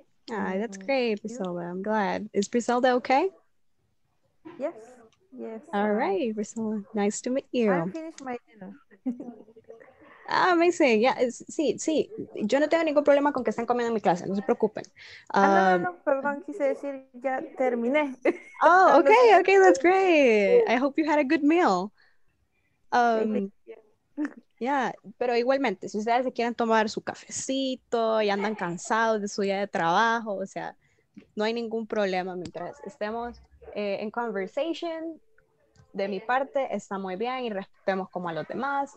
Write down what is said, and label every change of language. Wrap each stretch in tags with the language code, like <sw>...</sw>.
<en>Ah, that's great, Briselda. I'm glad. Is Briselda okay? Yes. Yes. All right, Briselda. Nice to meet you. I finished my dinner. Ah, amazing. Yeah,</en> <es>sí, sí. Yo no tengo ningún problema con que estén comiendo en mi clase. No se preocupen. No, perdón, quise decir ya terminé.</es> <en>Oh, okay, okay, that's great. I hope you had a good meal.</en> <es>Yeah, pero igualmente, si ustedes se quieren tomar su cafecito y andan cansados de su día de trabajo, o sea, no hay ningún problema mientras estemos en conversation. De mi parte, está muy bien y respetemos como a los demás.</es>